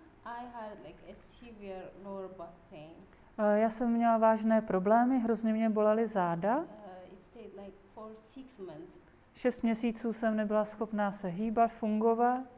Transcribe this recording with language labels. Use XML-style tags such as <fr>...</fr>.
<en>I had like a severe lower back pain.</en> <cs>Já jsem měla vážné problémy, hrozně mě bolely záda.</cs> <en>It stayed like for 6 months.</en> <cs>6 měsíců jsem nebyla schopná se hýbat, fungovat.</cs>